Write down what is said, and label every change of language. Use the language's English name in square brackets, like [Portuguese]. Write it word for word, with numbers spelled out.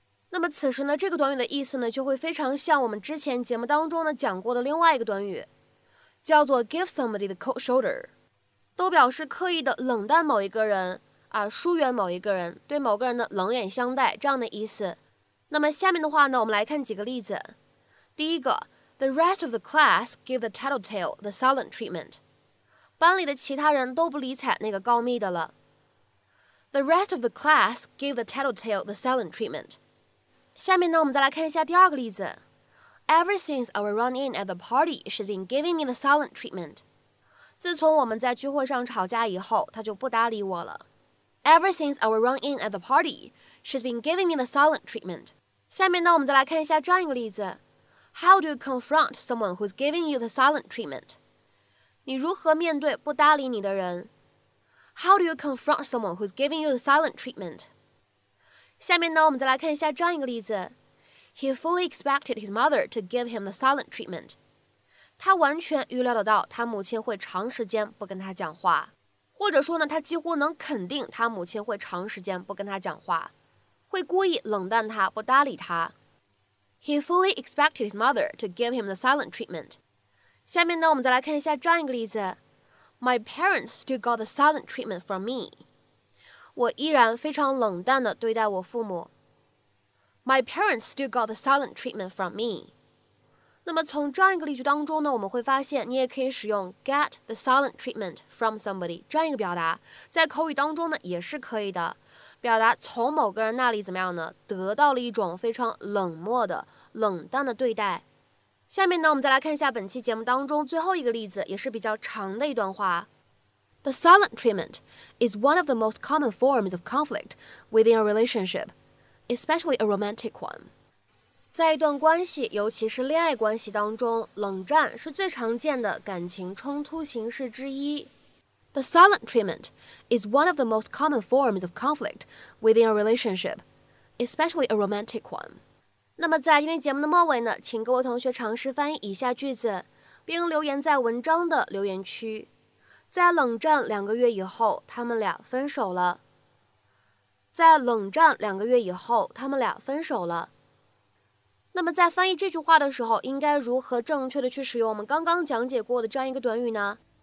[Chinese] 那么此时呢，这个短语的意思呢，就会非常像我们之前节目当中呢讲过的另外一个短语，叫做 [English] give somebody the cold shoulder， [Chinese] 都表示刻意的冷淡某一个人啊，疏远某一个人，对某个人的冷眼相待，这样的意思。那么下面的话呢，我们来看几个例子。第一个 [English] ，The rest of the class gave the tattletale the silent treatment。 [Chinese] 班里的其他人都不理睬那个告密的了。 [English] The rest of the class gave the tattletale the silent treatment. [Chinese] 下面呢，我们再来看一下第二个例子。 [English] Ever since our run-in at the party, she's been giving me the silent treatment. [Chinese] 自从我们在聚会上吵架以后，她就不搭理我了。 [English] Ever since our run-in at the party, she's been giving me the silent treatment. [Chinese] 下面呢，我们再来看一下这样一个例子。 [English] How do you confront someone who's giving you the silent treatment? [Chinese] 你如何面对不搭理你的人 [English] ？How do you confront someone who's giving you the silent treatment? [Chinese] 下面呢，我们再来看一下这样一个例子。 [English] He fully expected his mother to give him the silent treatment. [Chinese] 他完全预料得到他母亲会长时间不跟他讲话，或者说呢，他几乎能肯定他母亲会长时间不跟他讲话，会故意冷淡他，不搭理他。 [English] He fully expected his mother to give him the silent treatment. [Chinese] 下面呢，我们再来看一下这样一个例子。 [English] My parents still got the silent treatment from me. [Chinese] 我依然非常冷淡地对待我父母。 [English] My parents still got the silent treatment from me. [Chinese] 那么从这样一个例句当中呢，我们会发现你也可以使用 [English] get the silent treatment from somebody [Chinese] 这样一个表达，在口语当中呢也是可以的，表达从某个人那里怎么样呢，得到了一种非常冷漠的、冷淡的对待。下面呢，我们再来看一下本期节目当中最后一个例子，也是比较长的一段话。 [English] The silent treatment is one of the most common forms of conflict within a relationship, especially a romantic one. [Chinese] 在一段关系，尤其是恋爱关系当中，冷战是最常见的感情冲突形式之一。 [English] The silent treatment is one of the most common forms of conflict within a relationship, especially a romantic one. [Chinese] 那么在今天节目的末尾呢，请各位同学尝试翻译以下句子，并留言在文章的留言区。在冷战两个月以后，他们俩分手了。在冷战两个月以后，他们俩分手了。那么在翻译这句话的时候，应该如何正确的去使用我们刚刚讲解过的这样一个短语呢？